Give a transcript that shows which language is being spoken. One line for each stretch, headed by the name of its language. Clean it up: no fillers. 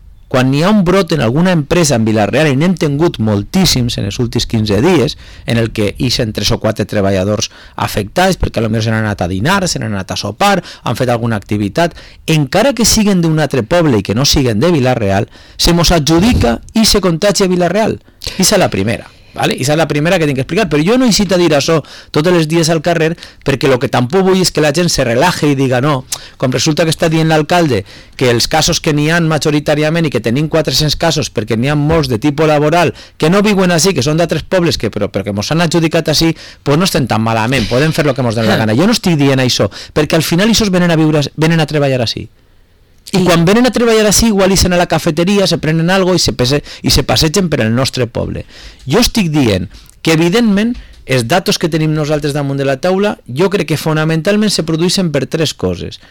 Catalan: quan hi ha un brot en alguna empresa en Vila-real, i n'hem tingut moltíssims en els últims 15 dies, en el que ixen 3 o 4 treballadors afectats, perquè a lo millor se n'han anat a dinar, se n'han anat a sopar, han fet alguna activitat, encara que siguen d'un altre poble i que no siguen de Vila-real, se mos adjudica i se contagia a Vila-real. I és la primera.
Spanish: Vale, esa es la primera que tengo que explicar, pero yo no incito a
Catalan: dir això
Spanish: todos los días
Catalan: al carrer,
Spanish: porque lo que tampoco voy es que la gente se relaje y diga no, cuando resulta que
Catalan: está dient l'alcalde
Spanish: que los casos que n'hi han majoritariamente y que tenim 400 casos porque
Catalan: n'hi han molts de tipo laboral, que no viuen así,
Spanish: que
Catalan: son de altres pobles,
Spanish: que, pero que nos han adjudicat así, pues no estén tan malament, pueden hacer lo que nos den la gana. Yo no estoy
Catalan: dient això,
Spanish: porque al final esos
Catalan: venen a viure, venen a treballar así. I quan venen a treballar així, igual ixen a la cafeteria, se prenen algo i se passegen per el nostre poble. Jo estic dient que evidentment els datos que tenim nosaltres damunt de la taula, jo crec que fonamentalment se produeixen per tres coses.